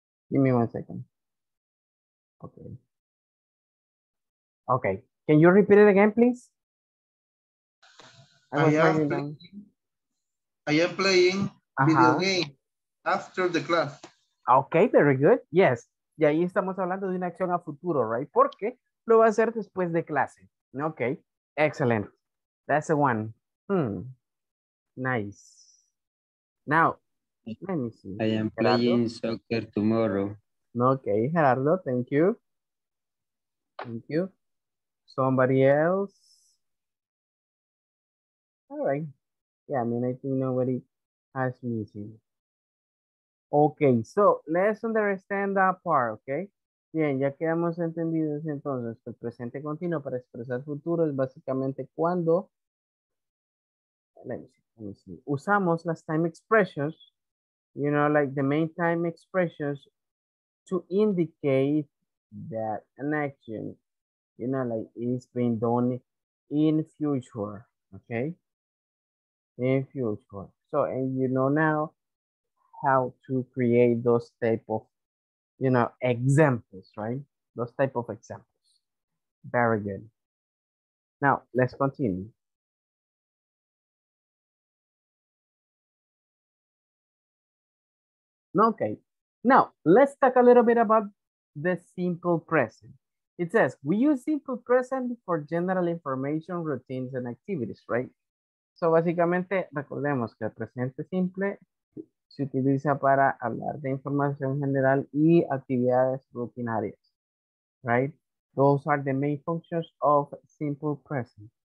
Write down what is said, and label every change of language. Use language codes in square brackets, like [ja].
[en] Give me one second. Okay. Okay. Can you repeat it again, please? I am playing video game after the class. Okay, very good. Yes. [es] Y ahí estamos hablando de una acción a futuro, right? Porque lo va a hacer después de clase. [en] Okay. Excellent. That's the one. Nice. Now, let me see. I am Gerardo. Playing soccer tomorrow. Okay, Gerardo, thank you. Thank you. Somebody else? All right. Yeah, I mean, I think nobody has missing. Okay, so let's understand that part, okay? [es] Bien, ya quedamos entendidos entonces. El presente continuo para expresar futuro es básicamente cuando. [en] Let me see. [es] Usamos las [en] time expressions, you know, like the main time expressions to indicate that an action, you know, like is being done in future, okay? In future. So, and you know now how to create those type of, you know, examples, right? Those type of examples. Very good. Now, let's continue. Okay, now let's talk a little bit about the simple present. It says we use simple present for general information, routines, and activities, right? [es] So básicamente, recordemos que el presente simple se utiliza para hablar de información general y actividades rutinarias, right? [en] Those are the main functions of simple present.